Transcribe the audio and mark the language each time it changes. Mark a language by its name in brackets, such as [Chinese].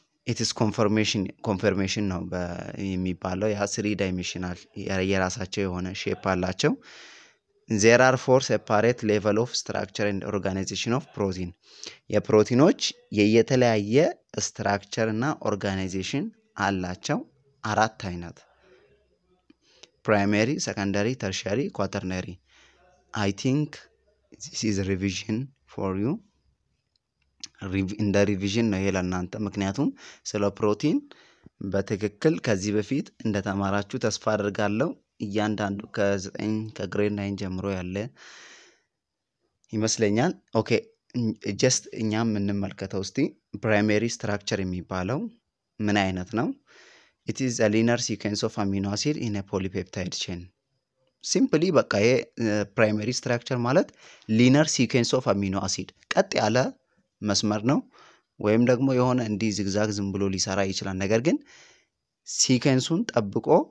[Amharic] ኢትስ ኮንፈርሜሽን ነው የሚባለው። ያ ስሪ ዳይሜንሽናል የራሳቸው የሆነ ሼፕ አላቸው። [English] ዜር አር ፎር ሴፓሬት ሌቨል ኦፍ ስትራክቸር ኤንድ ኦርጋናይዜሽን ኦፍ ፕሮቲን። [Amharic] የፕሮቲኖች የየተለያየ ስትራክቸር እና ኦርጋናይዜሽን አላቸው። አራት አይነት [English] primary, secondary, tertiary, quaternary. I think this is a revision for you. In the revision [Amharic] ነው ይሄ ለእናንተ። ምክንያቱም ስለ ፕሮቲን በትክክል ከዚህ በፊት እንደተማራችሁ ተስፋ አድርጋለሁ። እያንዳንዱ ከ9 ከግሬድ 9 ጀምሮ ያለ ይመስለኛል። ኦኬ just እኛም እንመልከተው እስቲ። primary structure የሚባለው ምን አይነት ነው? [English] It is a linear sequence of amino acid in a polypeptide chain. [Amharic] Simply በቃ የprimary structure ማለት [English] linear sequence of amino acid [Amharic] ቀጥ ያለ መስመር ነው። ወይም ደግሞ የሆነ እንዲ ዚግዛግ ዝም ብሎ ሊሰራ ይችላል። ነገር ግን sequence-ን ጠብቆ